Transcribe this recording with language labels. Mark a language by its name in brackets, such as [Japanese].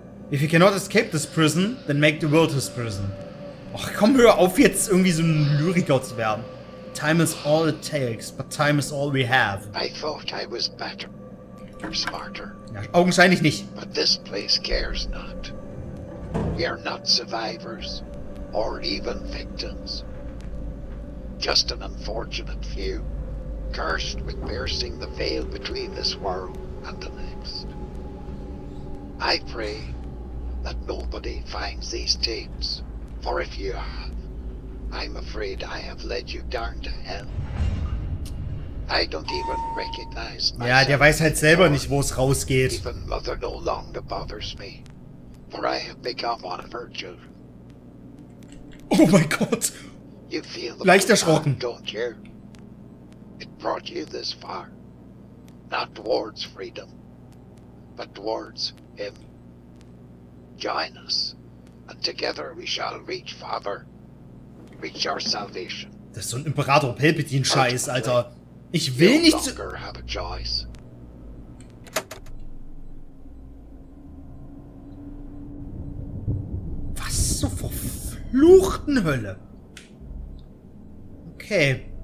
[English] If you cannot escape this prison, then make the world his prison. [German] Ach komm, hör auf jetzt irgendwie so ein Lyriker zu werden. [English] Time is all it takes, but time is all we have. I thought I was better, smarter. [German] Ja, augenscheinlich nicht. [English] But this place cares not. We are not survivors, or even victims. Just an unfortunate few, cursed with piercing the veil between this world and the next. I pray that nobody finds these tapes, for if you have, I'm afraid I have led you down to hell. I don't even recognize myself. [German] Ja, der weiß halt selber nicht, wo es rausgeht. [English] Even mother no longer bothers me, for I have become one of her children. [German] Oh mein Gott! [English] You feel [German] leicht erschrocken. [English] Don't you? It brought you this far. Not towards freedom, but towards him. Join us, and together we shall reach father. Reach our salvation. [German] Das ist so ein Imperator Palpatine-Scheiß, Alter. Ich will nicht zu... [English] Have a choice. [German] Was zur verfluchten Hölle? Okay.